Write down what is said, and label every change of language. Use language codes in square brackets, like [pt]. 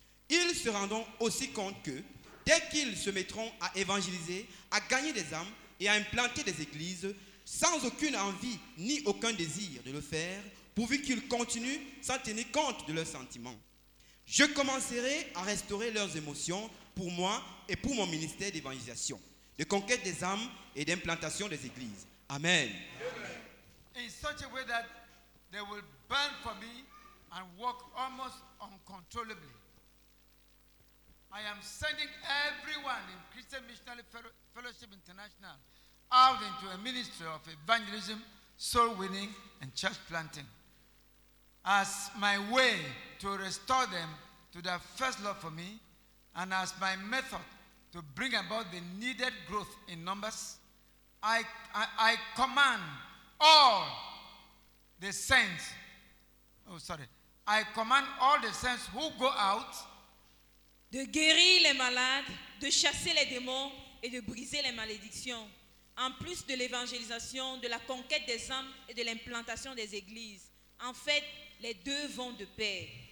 [fr] Ils se rendront aussi compte que, dès qu'ils se mettront à évangéliser, à gagner des âmes et à implanter des églises, sans aucune envie ni aucun désir de le faire, pourvu qu'ils continuent sans tenir compte de leurs sentiments. Je commencerai à restaurer leurs émotions pour moi et pour mon ministère d'évangélisation, de conquête des âmes et d'implantation des églises. Amen. [en] In such a way that they will burn for me and walk almost uncontrollably. I am sending everyone in Christian Missionary Fellowship International out into a ministry of evangelism, soul winning, and church planting as my way to restore them to their first love for me and as my method to bring about the needed growth in numbers. I command all the saints, I command all the saints who go out [fr] de guérir les malades, de chasser les démons et de briser les malédictions, en plus de l'évangélisation, de la conquête des âmes et de l'implantation des églises. En fait, les deux vont de pair.